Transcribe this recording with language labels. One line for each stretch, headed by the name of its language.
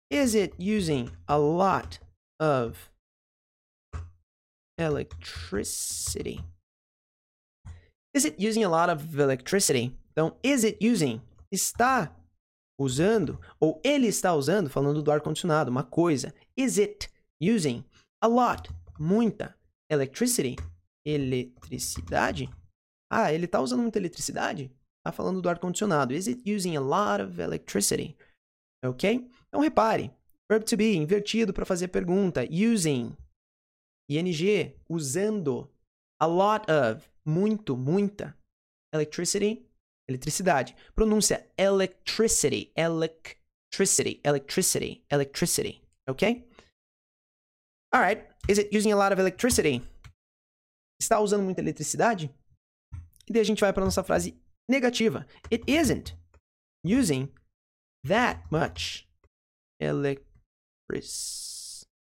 English: Is it using a lot of electricity? Is it using a lot of electricity?
Portuguese: Então,
English: is it using,
Portuguese: está usando, ou ele está usando, falando do ar-condicionado, uma coisa.
English: Is it using a lot, muita, electricity, eletricidade?
Portuguese: Ah, ele está usando muita eletricidade? Está falando do ar-condicionado.
English: Is it using a lot of electricity?
Portuguese: Ok? Então, repare. Verb to be, invertido para fazer a pergunta. Using, ing, usando, a lot of, muito, muita, electricity, eletricidade.
English: Pronúncia electricity, electricity, electricity, electricity. Ok? Alright. Is it using a lot of electricity?
Portuguese: Está usando muita eletricidade? E daí a gente vai para a nossa frase negativa.
English: It isn't using that much electricity.